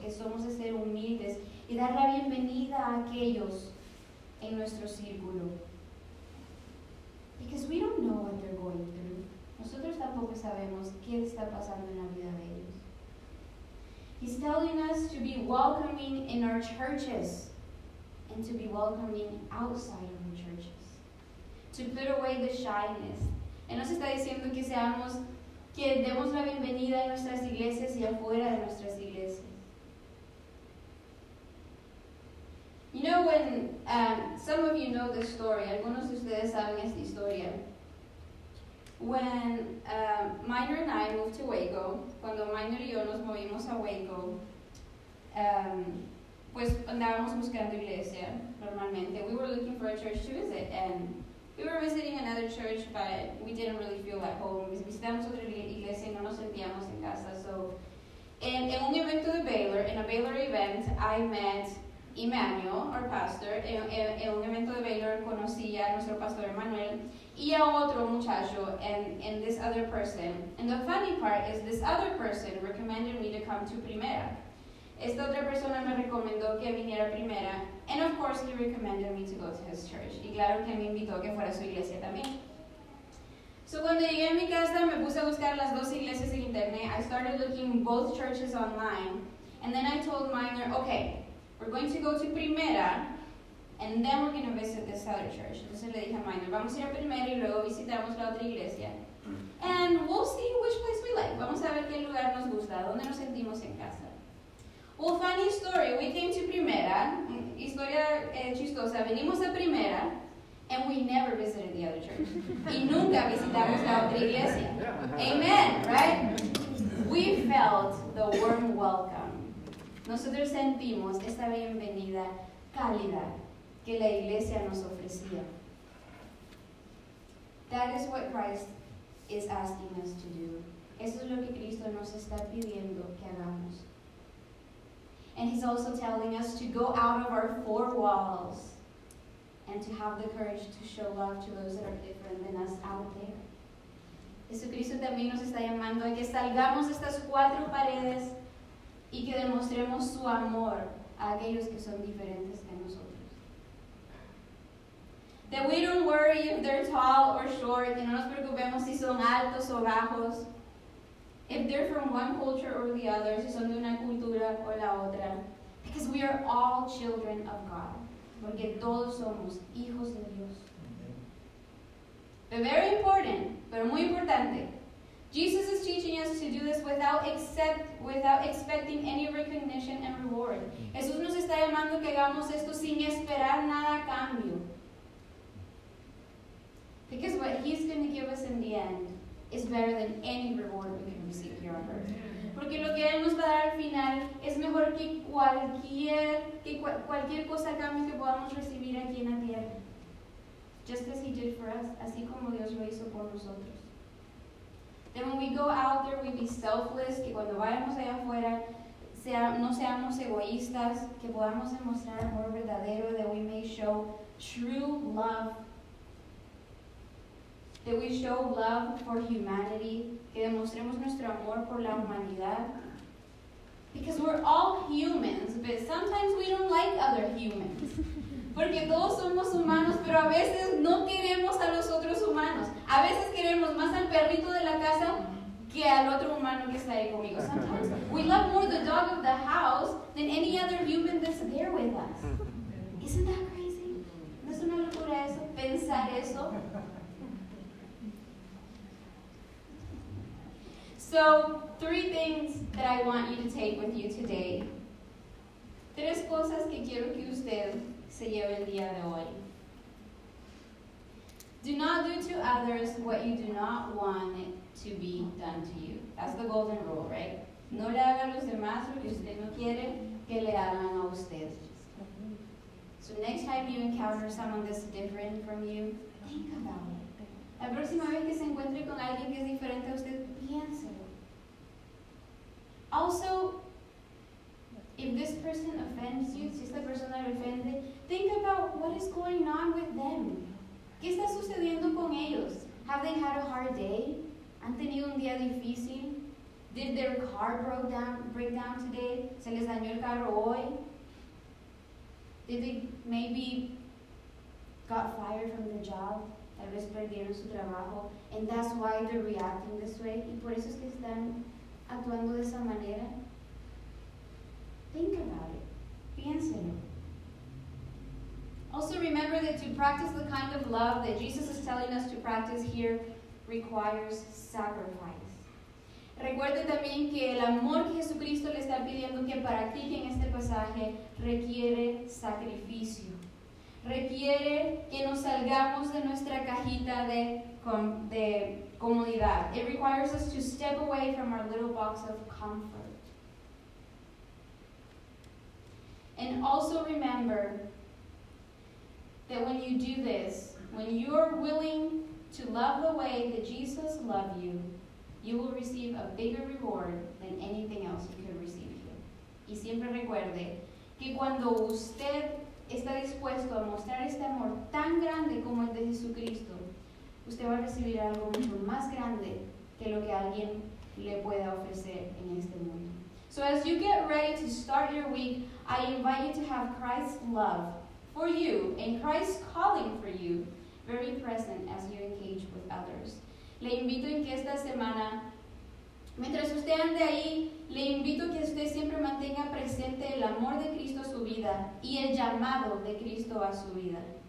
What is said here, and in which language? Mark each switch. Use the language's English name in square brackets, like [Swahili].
[Spanish] Que somos de ser humildes y dar la bienvenida a aquellos en nuestro círculo. [English] Because we don't know what they're going through. [Spanish] Nosotros tampoco sabemos qué está pasando en la vida de ellos. [English] He's telling us to be welcoming in our churches and to be welcoming outside of the churches. To put away the shyness. [Spanish] Él nos está diciendo que seamos, que demos la bienvenida en nuestras iglesias y afuera de nuestras iglesias. [English] You know when, some of you know this story, [Spanish] algunos de ustedes saben esta historia. [English] When Minor and I moved to Waco, [Spanish] cuando Minor y yo nos movimos a Waco, pues andábamos buscando iglesia normalmente. [English] We were looking for a church to visit, and we were visiting another church, but we didn't really feel at home. [Spanish] Visitamos otra iglesia y no nos sentíamos en casa. [English] So, [Spanish] en un evento de Baylor, [English] in a Baylor event, I met Emmanuel, our pastor. [Spanish] En un evento de Baylor, conocí a nuestro pastor Emmanuel. Y a otro muchacho, [English] and this other person. And the funny part is this other person recommended me to come to Primera. [Spanish] Esta otra persona me recomendó que viniera a Primera. [English] And of course, he recommended me to go to his church. [Spanish] Y claro que me invitó que fuera a su iglesia también. [English] So [Spanish] cuando llegué a mi casa, me puse a buscar las dos iglesias en internet. [English] I started looking both churches online. And then I told Minor, okay, we're going to go to Primera. And then we're going to visit this other church. [Spanish] Entonces le dije a Minor, vamos a ir a Primera y luego visitamos la otra iglesia. [English] And we'll see which place we like. [Spanish] Vamos a ver qué lugar nos gusta, dónde nos sentimos en casa. [English] Well, funny story, we came to Primera. [Spanish] Historia chistosa, venimos a Primera. [English] And we never visited the other church. [Spanish] Y nunca visitamos la otra iglesia. [English] Amen, right? We felt the warm welcome. [Spanish] Nosotros sentimos esta bienvenida cálida que la iglesia nos ofrecía. [English] That is what Christ is asking us to do. [Spanish] Eso es lo que Cristo nos está pidiendo que hagamos. [English] And he's also telling us to go out of our four walls and to have the courage to show love to those that are different than us out there. [Spanish] Jesucristo también nos está llamando a que salgamos de estas cuatro paredes y que demostremos su amor a aquellos que son diferentes de nosotros. [English] That we don't worry if they're tall or short, [Spanish] que no nos preocupemos si son altos o bajos, [English] if they're from one culture or the other, [Spanish] si son de una cultura o la otra, [English] because we are all children of God, [Spanish] porque todos somos hijos de Dios. [English] But very important, [Spanish] pero muy importante, [English] Jesus is teaching us to do this without expecting any recognition and reward. [Spanish] Jesús nos está llamando que hagamos esto sin esperar nada a cambio. [English] Because what he's going to give us in the end is better than any reward we can receive here on earth. [Spanish] Porque lo que él nos va a dar al final es mejor que cualquier cosa a cambio que podamos recibir aquí en la tierra. [English] Just as he did for us, [Spanish] así como Dios lo hizo por nosotros. [English] Then when we go out there, we be selfless, [Spanish] que cuando vayamos allá afuera, no seamos egoístas, que podamos demostrar amor verdadero, [English] that we may show true love. That we show love for humanity, [Spanish] que demostremos nuestro amor por la humanidad. [English] Because we're all humans, but sometimes we don't like other humans. [Spanish] Porque todos somos humanos, pero a veces no queremos a los otros humanos. A veces queremos más al perrito de la casa que al otro humano que está ahí conmigo. [English] Sometimes we love more the dog of the house than any other human that's there with us. Isn't that crazy? [Spanish] ¿No es una locura eso? Pensar eso. [English] So, three things that I want you to take with you today. [Spanish] Tres cosas que quiero que usted se lleve el día de hoy. [English] Do not do to others what you do not want to be done to you. That's the golden rule, right? [Spanish] No le haga a los demás lo que usted no quiere que le hagan a usted. [English] So next time you encounter someone that's different from you, think about it. [Spanish] La próxima vez que se encuentre con alguien que es diferente a usted, piénselo. [English] Also, if this person offends you, [Spanish] si esta persona le ofende, [English] think about what is going on with them. [Spanish] ¿Qué está sucediendo con ellos? [English] Have they had a hard day? [Spanish] ¿Han tenido un día difícil? [English] Did their car break down today? [Spanish] ¿Se les dañó el carro hoy? [English] Did they maybe got fired from their job? [Spanish] Tal vez perdieron su trabajo. [English] And that's why they're reacting this way. [Spanish] Y por eso es que están actuando de esa manera. [English] Think about it. [Spanish] Piénselo. [English] Also remember that to practice the kind of love that Jesus is telling us to practice here requires sacrifice. [Spanish] Recuerde también que el amor que Jesucristo le está pidiendo que practique en este pasaje requiere sacrificio. Requiere que nos salgamos de nuestra cajita de comodidad. [English] It requires us to step away from our little box of comfort. And also remember that when you do this, when you are willing to love the way that Jesus loved you, you will receive a bigger reward than anything else you could receive here. [Spanish] Y siempre recuerde que cuando usted está dispuesto a mostrar este amor tan grande como el de Jesucristo, usted va a recibir algo mucho más grande que lo que alguien le pueda ofrecer en este mundo. [English] So as you get ready to start your week, I invite you to have Christ's love for you and Christ's calling for you very present as you engage with others. [Spanish] Le invito en que esta semana, mientras usted ande ahí, le invito que usted siempre mantenga presente el amor de Cristo a su vida y el llamado de Cristo a su vida.